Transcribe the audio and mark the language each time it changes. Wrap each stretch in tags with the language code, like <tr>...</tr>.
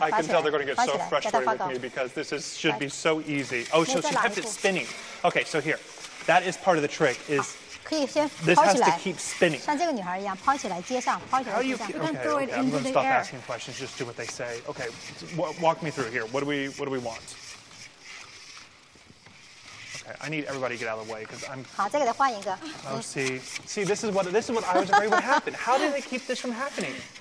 <en>I can tell they're going to get so frustrated with me because this is, should be so easy. Oh, so she kept it spinning. Okay, so here, that is part of the trick is this has to keep spinning.</en> <zh>像这个女孩一样，抛起来接上，抛起来接上。</zh> <en>How do you? Okay, okay, I'm going to stop asking questions. Just do what they say. Okay, walk me through here. What do we want? Okay, I need everybody to get out of the way because I'm.</en> <zh>好，再给她换一个。</zh> <en>Oh, see, this is what I was afraid would happen. How do they keep this from happening?</en>